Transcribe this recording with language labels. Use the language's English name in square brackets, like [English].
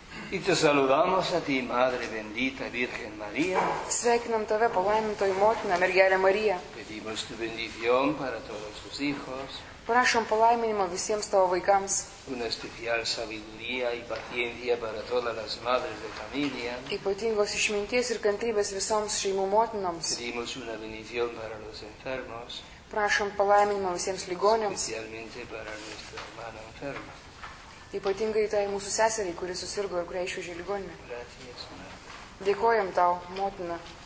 [Spanish] Te saludamos a ti, Madre bendita Virgen María. [Lithuanian] Sveikinam tave, palaimintoji motina, mergelė Marija. [Spanish] Pedimos tu bendición para todos tus hijos. [Lithuanian] Prašom palaiminimo visiems tavo vaikams. [Spanish] Una especial sabiduría y paciencia para todas las madres de familia. [Lithuanian] Ypatingos išminties ir kantrybės visoms šeimų motinoms. [Spanish] Pedimos una bendición para los enfermos. [Lithuanian] Prašom palaiminimo visiems ligoniams. [Spanish] Especialmente para nuestra hermana enferma. [Lithuanian] Ypatingai tai mūsų seseriai, kuri susirgo ir kuriai išvežė ligoninę. Dėkojam tau, motina.